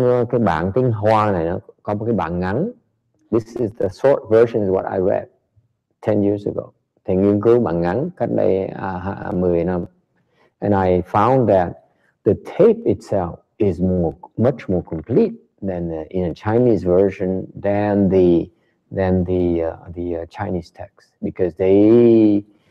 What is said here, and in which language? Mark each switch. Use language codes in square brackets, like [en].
[vi] Cái bản tiếng Hoa này nó có một cái bản ngắn. [en] This is the short version of what I read 10 years ago. [vi] Thì nghiên cứu bản ngắn cách đây 10 năm. [en] And I found that the tape itself is much more complete than in a Chinese version than the Chinese text, because they